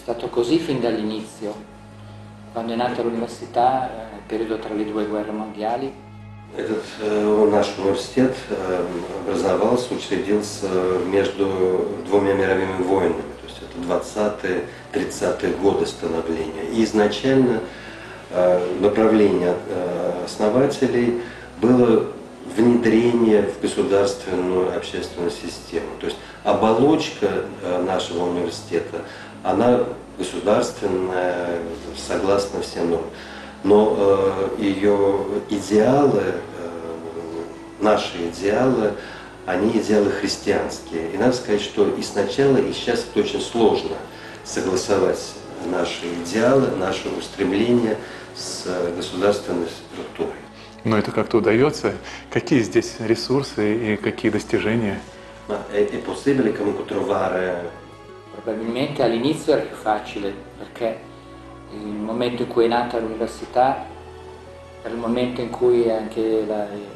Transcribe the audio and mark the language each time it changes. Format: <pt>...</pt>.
<it>Stato così fin dall'inizio, quando è nata l'università, periodo tra le due guerre mondiali.</it> <ru>Этот наш университет образовался, учредился между двумя мировыми войнами. 20-30-е годы становления. И изначально направление основателей было внедрение в государственную общественную систему. То есть оболочка нашего университета, она государственная, согласно всем нормам. Но ее идеалы, наши идеалы, они идеалы христианские. И надо сказать, что и сначала, и сейчас это очень сложно согласовать наши идеалы, наши устремления с государственной структурой. Но это как-то удается. Какие здесь ресурсы и какие достижения?</ru> <it>È possibile comunque trovare. Probabilmente all'inizio era più facile, perché il momento in cui è nata l'università era il momento in cui anche la.</it>